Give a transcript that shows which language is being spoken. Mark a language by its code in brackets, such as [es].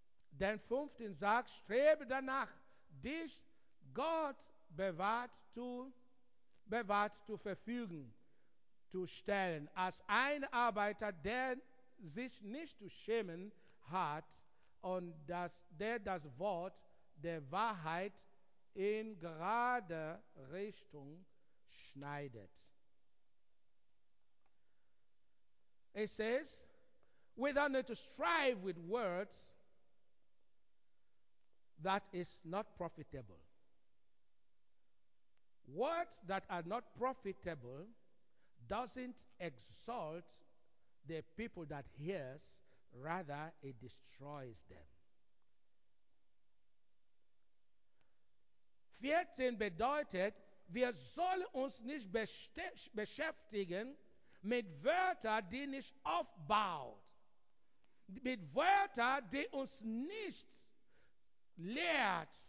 [de] Denn 15 sagt, strebe danach, dich Gott bewahrt zu verfügen, zu stellen, als ein Arbeiter, der sich nicht zu schämen hat und der das Wort der Wahrheit in gerade Richtung schneidet. [en] It says, we don't need to strive with words that is not profitable. Words that are not profitable doesn't exalt the people that hears, rather it destroys them. [de] 14 bedeutet, wir sollen uns nicht beschäftigen mit Wörtern, die nicht aufbaut. Mit Wörtern, die uns nicht lehrt,